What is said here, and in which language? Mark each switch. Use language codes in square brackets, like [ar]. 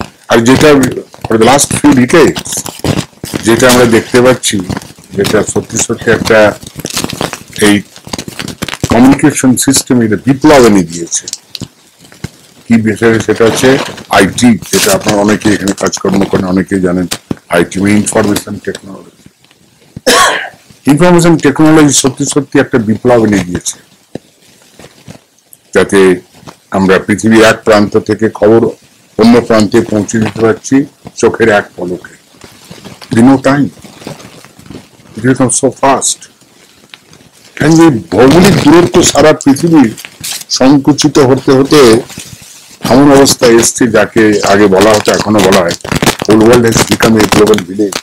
[bn] আর যেটা [en] for the last few decades [bn] যেটা আমরা দেখতে পাচ্ছি যেটা সত্যি সত্যি একটা এই কমিউনিকেশন সিস্টেম এটা বিপ্লব এনে দিয়েছে, কি বিষয় সেটা হচ্ছে আইটি, যেটা আপনার অনেকে এখানে কাজকর্ম করেন অনেকে জানেন [en] IT means information technology. [bn] Information technology সত্যি সত্যি একটা বিপ্লব এনে দিয়েছে যাতে আমরা পৃথিবীর এক প্রান্ত থেকে খবর অন্য প্রান্তে পৌঁছে দিতে পারছি চোখের এক পলকে. [en] No time. It has come so fast. And the [bn] ভৌগোলিক দূরত্ব সারা পৃথিবীর সংকুচিত হতে হতে এমন অবস্থা এসছে যাকে আগে বলা হতো এখনো বলা হয় [en] Whole world has become a global village.